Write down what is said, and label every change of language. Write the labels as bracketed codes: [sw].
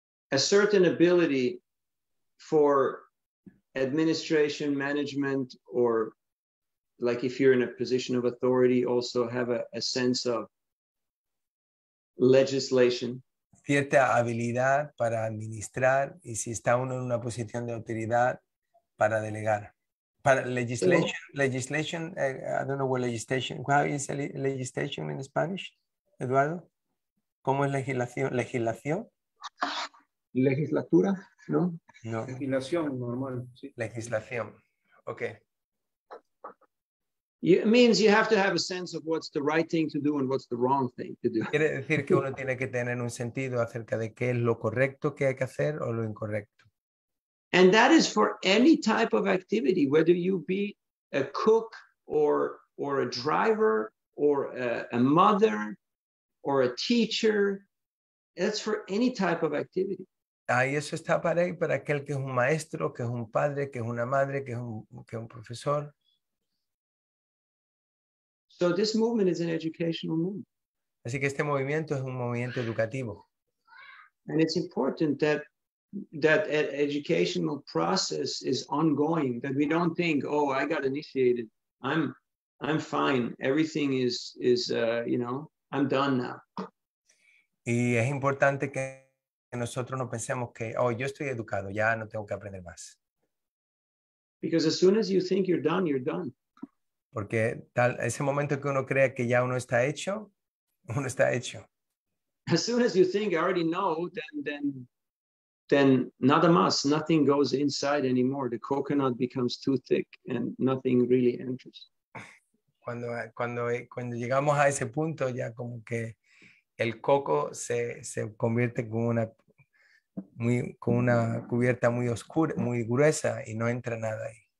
[en] a certain ability for administration, management, or like if you're in a position of authority, also have a sense of legislation. [es] Cierta habilidad para administrar y si está uno en una posición de autoridad para delegar. [en] Para legislation, I don't know what legislation, how is legislation in Spanish, Eduardo? [es] ¿Cómo es legislación? ¿Legislación? ¿Legislatura? No. No. Legislación, normal. Sí. Legislación, ok. [en] It means you have to have a sense of what's the right thing to do and what's the wrong thing to do. [es] Quiere decir que uno tiene que tener un sentido acerca de qué es lo correcto que hay que hacer o lo incorrecto. [en] And that is for any type of activity, whether you be a cook or a driver or a mother or a teacher. That's for any type of activity. [es] Ahí eso está para aquel que es un maestro, que es un padre, que es una madre, que es un profesor. [en] So this movement is an educational movement. [es] Así que este movimiento es un movimiento educativo. [en] And it's important that educational process is ongoing, that we don't think, oh, I got initiated, I'm fine, everything is I'm done now. [es] Y es importante que nosotros no pensemos que, oh, yo estoy educado, ya no tengo que aprender más. [en] Because as soon as you think you're done, you're done. [es] Porque tal ese momento que uno crea que ya uno está hecho. [en] As soon as you think I already know, then [es] nada más, [en] nothing goes inside anymore. The coconut becomes too thick and nothing really enters. [es] Cuando llegamos a ese punto, ya como que el coco se convierte con una cubierta muy oscura, muy gruesa, y no entra nada ahí.